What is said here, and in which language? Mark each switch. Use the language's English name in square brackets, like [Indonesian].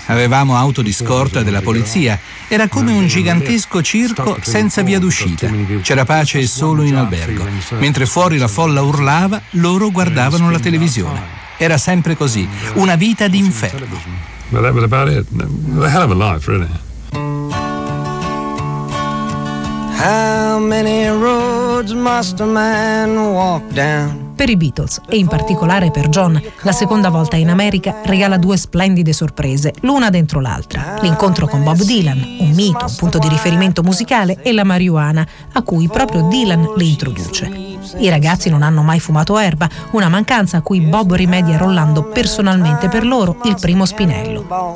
[Italian] Avevamo auto di scorta della polizia. Era come un gigantesco circo senza via d'uscita. C'era pace solo in albergo. Mentre fuori la folla urlava, loro guardavano la televisione. Era sempre così, una vita d'inferno. [English] But that was about it. A hell of a life, really. How many roads must a man walk down? [Italian] Per i Beatles, e in particolare per John, la seconda volta in America regala due splendide sorprese, l'una dentro l'altra. L'incontro con Bob Dylan, un mito, un punto di riferimento musicale, e la marijuana, a cui proprio Dylan li introduce. I ragazzi non hanno mai fumato erba, una mancanza a cui Bob rimedia rollando personalmente per loro il primo spinello.